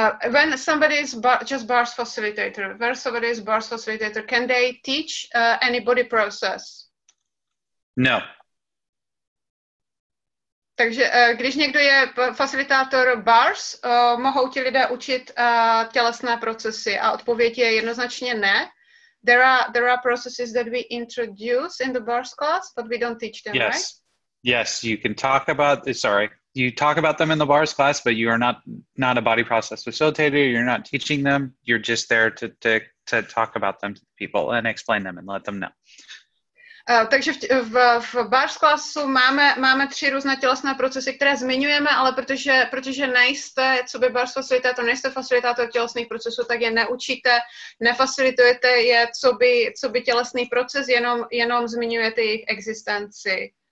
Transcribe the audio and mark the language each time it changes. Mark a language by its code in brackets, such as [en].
[en] when somebody is just bars facilitator, where somebody is bars facilitator, can they teach any body process? No. [cs] Takže když někdo je facilitátor bars, mohou ti lidé učit tělesné procesy? A odpověď je jednoznačně ne. [en] There are processes that we introduce in the bars class, but we don't teach them, yes. Right? Yes, you can talk about, you talk about them in the bars class, but you are not a body process facilitator, you're not teaching them, you're just there to talk about them to people and explain them and let them know. [cs] Takže v bars klasu máme tři různé tělesné procesy, které zmiňujeme, ale protože nejste, co by bars facilitátor, nejste facilitátor tělesných procesů, tak je neučíte, nefacilitujete je, co by tělesný proces, jenom zmiňujete jejich existenci.